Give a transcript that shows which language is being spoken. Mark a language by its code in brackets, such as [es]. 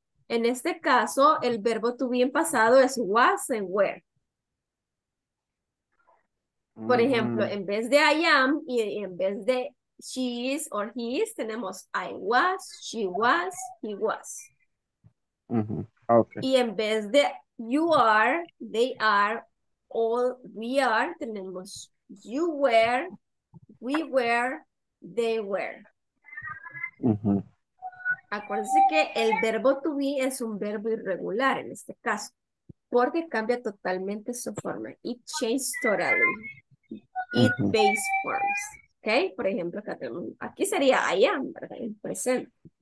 [es] En este caso, el verbo to be en pasado es was and were. Por ejemplo, en vez de I am y en vez de she is or he is, tenemos [en] I was, she was, he was. Uh-huh. Okay. [es] Y en vez de you are, they are, all, we are, tenemos [en] you were, we were, they were. Uh-huh. [es] Acuérdense que el verbo to be es un verbo irregular en este caso, porque cambia totalmente su forma. [en] It changes totally. It base forms. Okay? [es] Por ejemplo, acá tenemos, aquí sería [en] I am, [es] ¿verdad? El presente.